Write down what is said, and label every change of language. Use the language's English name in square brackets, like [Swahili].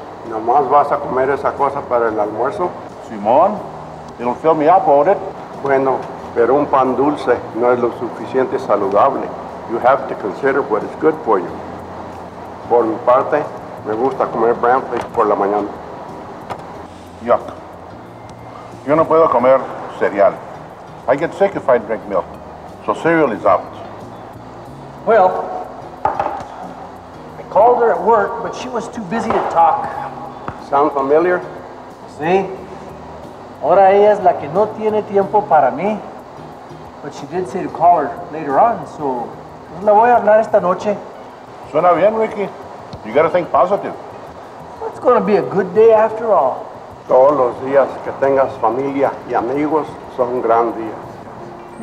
[Spanish] ¿Nomás vas a comer esa cosa para el almuerzo? [English] Simón, it'll fill me up, won't it? [Spanish] Bueno, pero un pan dulce no es lo suficiente saludable. [English] You have to consider what is good for you. [Spanish] Por mi parte, me gusta comer bran flakes por la mañana. Yuck. Yo no puedo comer cereal. [English] I get sick if I drink milk. So cereal is out. Well, I called her at work, but she was too busy to talk. Sound familiar? [Spanish] Sí. Ahora ella es la que no tiene tiempo para mí. [English] But she did say to call her later on, so [Spanish] la voy a hablar esta noche. Suena bien, [English] Ricky. You gotta think positive. It's gonna be a good day after all. [Spanish] Todos los días que tengas familia y amigos son gran días.